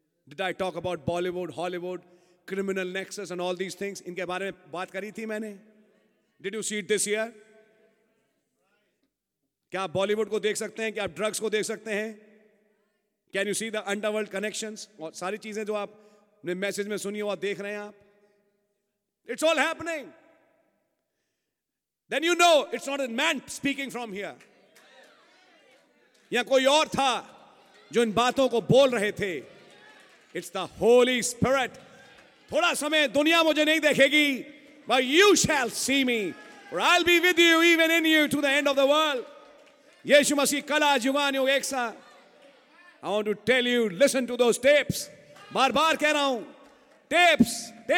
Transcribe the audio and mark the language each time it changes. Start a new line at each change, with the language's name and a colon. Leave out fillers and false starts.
English: Did I talk about Bollywood, Hollywood, criminal nexus and all these things?
Hindi: इनके बारे में बात करी थी मैंने.
English: Did you see it this year?
Hindi: क्या आप बॉलीवुड को देख सकते हैं? क्या आप ड्रग्स को देख सकते हैं?
English: Can you see the underworld connections?
Hindi: और सारी चीजें जो आप मैसेज में सुनी हो और देख रहे हैं आप.
English: It's all happening. Then you know it's not a man speaking from here.
Hindi: या कोई और था जो इन बातों को बोल रहे थे.
English: It's the Holy Spirit.
Hindi: थोड़ा समय दुनिया मुझे नहीं देखेगी,
English: but you shall see me, or I'll be with you even in you to the end of the world.
Hindi: यीशु मसीह कल आज युवा ने एक सा.
English: I want to tell you, listen to those tapes.
Hindi: बार बार कह रहा हूं, tapes.